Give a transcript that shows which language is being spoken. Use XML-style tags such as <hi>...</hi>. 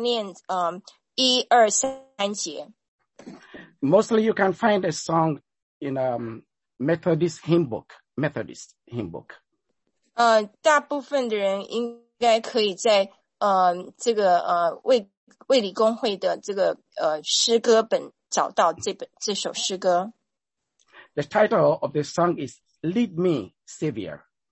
<zh>在我分享之前，我要念一首诗歌，我要念一二三节。</zh> <en>Mostly you can find a song in Methodist hymn book.</en> <zh>大部分的人应该可以在 这个卫理公会的这个诗歌本找到这首诗歌。</zh> <en>The title of the song is "Lead Me, Savior."</en>